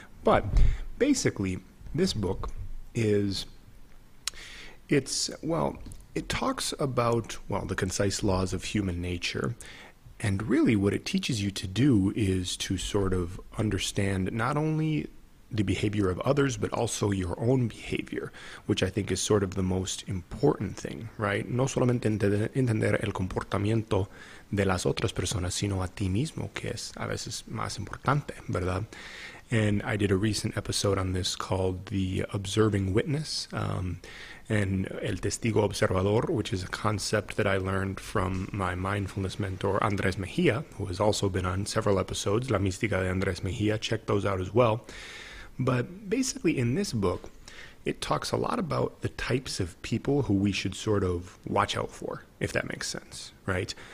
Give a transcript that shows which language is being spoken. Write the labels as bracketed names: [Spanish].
[English] But basically, this book talks about the concise laws of human nature. And really what it teaches you to do is to sort of understand not only the behavior of others, but also your own behavior, which I think is sort of the most important thing, right? [Spanish] No solamente entender el comportamiento de las otras personas, sino a ti mismo, que es a veces más importante, ¿verdad? [English] And I did a recent episode on this called The Observing Witness, and El Testigo Observador, which is a concept that I learned from my mindfulness mentor, Andrés Mejía, who has also been on several episodes, La Mística de Andrés Mejía. Check those out as well. But basically, in this book, it talks a lot about the types of people who we should sort of watch out for, if that makes sense, right?